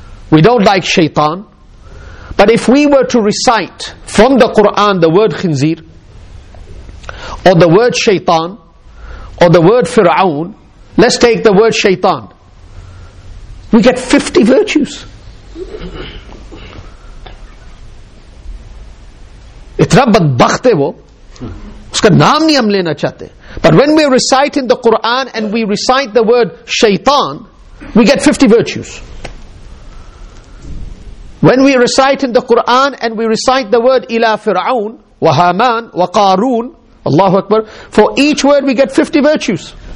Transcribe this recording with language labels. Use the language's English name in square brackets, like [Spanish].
[English] We don't like Shaytan. But if we were to recite from the Qur'an the word khinzir, or the word Shaytan, or the word Fir'aun, let's take the word Shaytan. We get 50 virtues. [Urdu] اتنا بدبخت ہے وہ, اس کا نام نہیں ہم لینا چاہتے. [English] But when we recite in the Quran and we recite the word Shaytan, we get 50 virtues. When we recite in the Quran and we recite the word ila Fir'aun, wa Haman, wa Qarun, Allahu Akbar, for each word we get 50 virtues.